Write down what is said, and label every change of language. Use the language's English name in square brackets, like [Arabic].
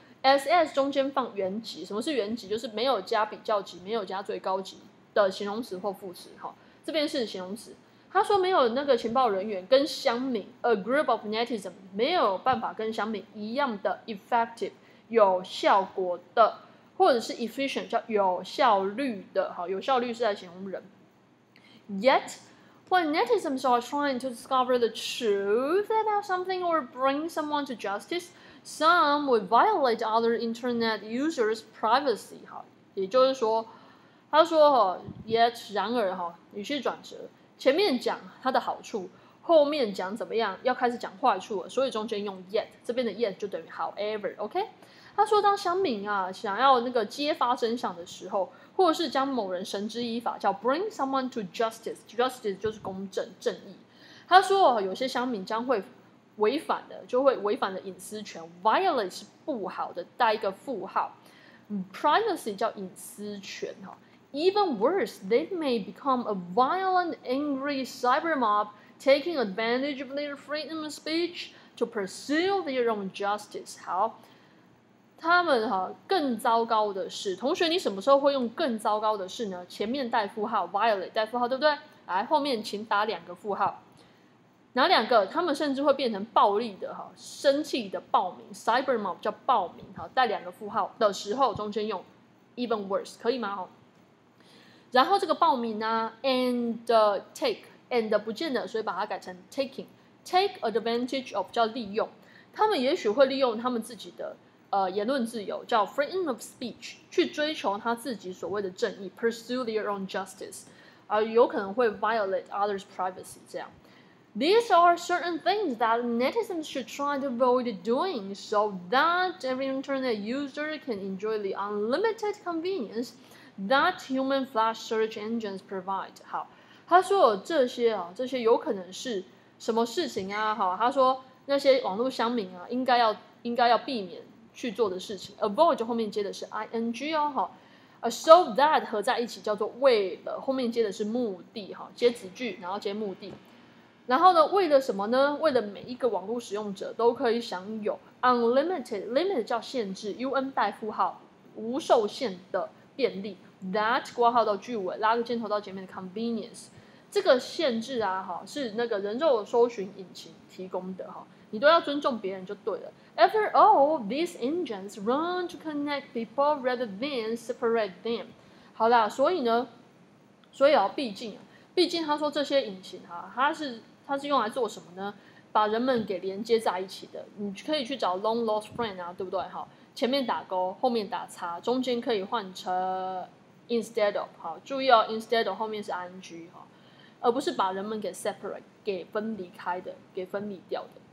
[Chinese] SS 中间放原级，什么是原级？就是没有加比较级，没有加最高级的形容词或副词。这边是形容词，他说没有那个情报人员跟乡民 [English] a group of netizen [Chinese] 没有办法跟乡民一样的 effective 有效果的，或者是 efficient 叫有效率的。好，有效率是在形容人。 [English] Yet when netizens are trying to discover the truth about something or bring someone to justice, some would violate other internet users privacy。 [Chinese] 好，也就是说他说、哦、Yet 然而、哦、语气转折，前面讲它的好处，后面讲怎么样要开始讲坏处了，所以中间用 yet， 这边的 yet 就等于 however， OK。他说当乡民啊想要那个揭发真相的时候，或者是将某人绳之以法叫 [English] bring someone to justice， [Chinese] justice 就是公正正义。他说、哦、有些乡民将会违反的，就会违反的隐私权， violate 是不好的，带一个负号。 [English] privacy [Chinese] 叫隐私权、哦， [English] Even worse, they may become a violent, angry cyber mob taking advantage of their freedom of speech to pursue their own justice. [Chinese] 好，他们哈更糟糕的是，同学，你什么时候会用更糟糕的是呢？前面带负号 ，violate 带负号，对不对？来，后面请打两个负号，哪两个？他们甚至会变成暴力的哈，生气的暴民 ，cyber mob 叫暴民哈，带两个负号的时候，中间用 even worse， 可以吗？然后这个报名呢、啊、and take and 不见得，所以把它改成 taking， take advantage of 叫利用，他们也许会利用他们自己的、言论自由叫 freedom of speech 去追求他自己所谓的正义， [English] pursue their own justice、 [Chinese] 有可能会 [English] violate others privacy [Chinese] 这样。 [English] These are certain things that netizens should try to avoid doing so that every internet user can enjoy the unlimited convenienceThat human flash search engines provide. [Chinese] 好，他说这些啊，这些有可能是什么事情啊？好，他说那些网络乡民啊，应该要避免去做的事情。 Avoid 后面接的是 ing 哦，好 ，so that 合在一起叫做为了，后面接的是目的，哈，接子句，然后接目的。然后呢，为了什么呢？为了每一个网络使用者都可以享有 unlimited， limit 叫限制 ，un 带负号，无受限的。便利 that 括号到句尾，拉个箭头到前面的 convenience， 这个限制啊，哈，是那个人肉搜寻引擎提供的，哈，你都要尊重别人就对了。 [English] After all, these engines run to connect people rather than separate them。 [Chinese] 好啦，所以呢，所以啊，毕竟他说这些引擎啊，它是用来做什么呢？把人们给连接在一起的。你可以去找 [English] long lost friend [Chinese] 啊，对不对？哈。前面打勾，后面打叉，中间可以换成 instead of， 好，注意哦， instead of 后面是 ing， 而不是把人们给 separate， 给分离开的，给分离掉的。